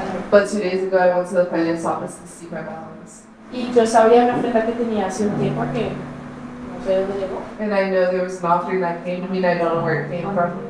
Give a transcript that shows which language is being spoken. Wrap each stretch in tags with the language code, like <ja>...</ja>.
<en>But 2 days ago I went to the finance office to see my balance.</en> <es>Y yo sabía una oferta que tenía hace un tiempo que no sé dónde llegó.</es> <en>And I know there was an offering that came, I mean I don't know where it came from.</en>